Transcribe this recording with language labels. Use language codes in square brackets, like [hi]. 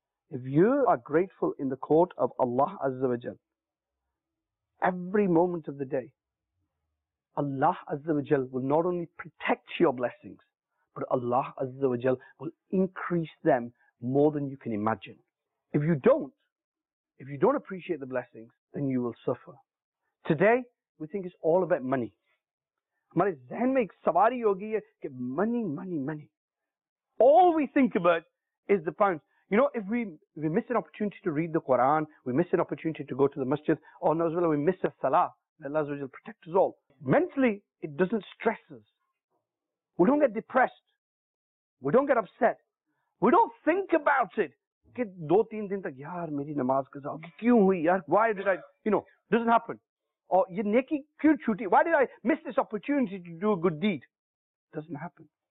[en] If you are grateful in the court of Allah Azza wa Jal, every moment of the day, Allah Azza wa Jal will not only protect your blessings, but Allah Azza wa Jal will increase them more than you can imagine. If you don't appreciate the blessings, then you will suffer. Today, we think it's all about money. [ur] ہمارے ذہن میں ایک سواری ہو گئی ہے کہ [en] money, money, money. All we think about is the pounds. You know, if we miss an opportunity to read the Quran, we miss an opportunity to go to the masjid, or nazwala, we miss a salah, may Allah Azzawajal protect us all. Mentally, it doesn't stress us. We don't get depressed. We don't get upset. We don't think about it. [ur] کہ دو تین دن تک یار میری نماز قضا کیوں ہوئی یار, [en] why did I, you know, doesn't happen. Or [ur] ye neki kyun chuti, [en] why did I miss this opportunity to do a good deed? Doesn't happen.